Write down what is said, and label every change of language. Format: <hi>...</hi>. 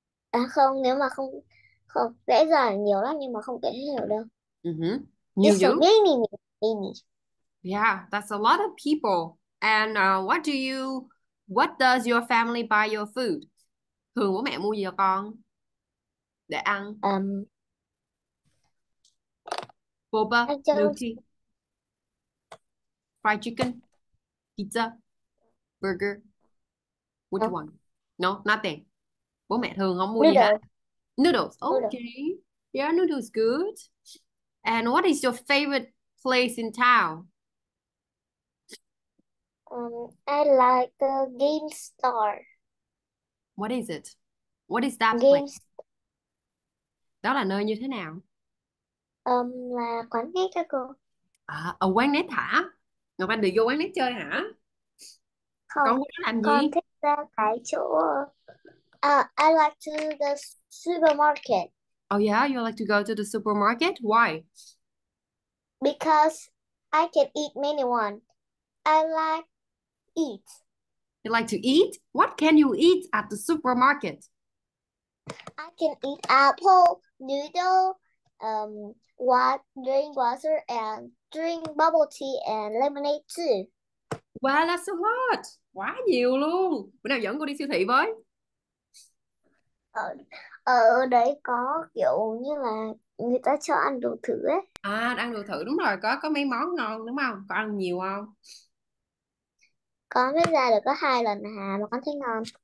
<vi>À không, nếu mà không không vẽ ra nhiều lắm nhưng mà không kể hết được đâu. Nhiều dữ.</vi> <en>It's so many. Yeah, that's a lot of people. And what does your family buy your food?</en> <vi>Thường bố mẹ mua gì cho con? Để ăn.</vi> <en>Boba, mochi. Fried chicken. Pizza. Burger. Which one? No, nothing.</en> <vi>Bố mẹ thường không mua gì hết.</vi> <en>Noodle. Noodles. Noodle. Okay. Yeah, noodles good. And what is your favorite place in town? I like the game store. What is it? What is that place? Game</en> <vi>Đó là nơi như thế nào? là quán nét các cô. À, ở quán nét hả? Ngọc Anh được vô quán nét chơi hả? Con Không, muốn làm con gì? thích ra cái chỗ</vi> <en>I like to the supermarket. Oh yeah, you like to go to the supermarket? Why? Because I can eat many one. I like eat. You like to eat? What can you eat at the supermarket? I can eat apple, noodle, drink water and drink bubble tea and lemonade too. Wow, that's a lot.</en> <vi>Quá nhiều luôn. Bữa nào dẫn cô đi siêu thị với. Ở đấy có kiểu như là người ta cho ăn đồ thử ấy. À, ăn được thử đúng rồi, có mấy món ngon đúng không? Có ăn nhiều không? Con mới ra được có 2 lần à mà con thấy ngon.</vi>